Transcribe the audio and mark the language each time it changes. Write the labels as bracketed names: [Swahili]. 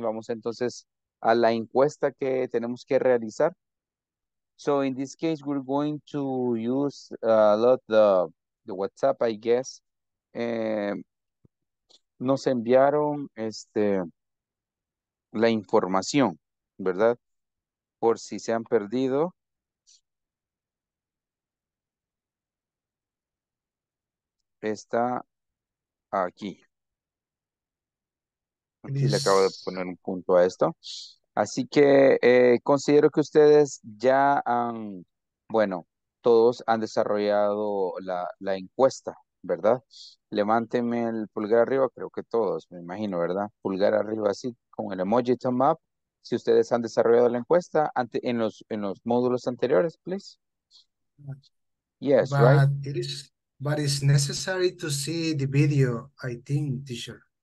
[Spanish] Vamos entonces a la encuesta que tenemos que realizar. [English] So in this case, we're going to use a lot the WhatsApp, I guess. [Spanish] Nos enviaron la información, ¿verdad? Por si se han perdido. Está aquí. Aquí le acabo de poner un punto a esto. Así que considero que ustedes ya han, bueno, todos han desarrollado la encuesta, ¿verdad? Levánteme el pulgar arriba, creo que todos, me imagino, ¿verdad? Pulgar arriba así, con el emoji thumb up. Si ustedes han desarrollado la encuesta ante, en los módulos anteriores, [English] please. Yes, but right. But it's necessary to see the video, I think, teacher.